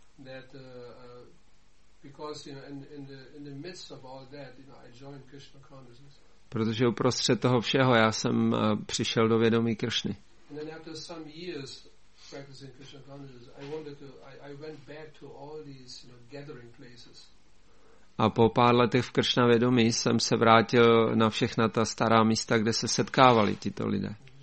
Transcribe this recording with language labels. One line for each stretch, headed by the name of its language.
English: That because you know in the midst of all that, you know, I joined Krishna consciousness.
Czech: Protože uprostřed toho všeho já jsem přišel do vědomí Kršny.
English: And then after some years practicing Krishna consciousness, I went back to all these, you know, gathering places.
Czech: A po pár letech v Kršna vědomí jsem se vrátil na všechna ta stará místa, kde se setkávali tito lidé.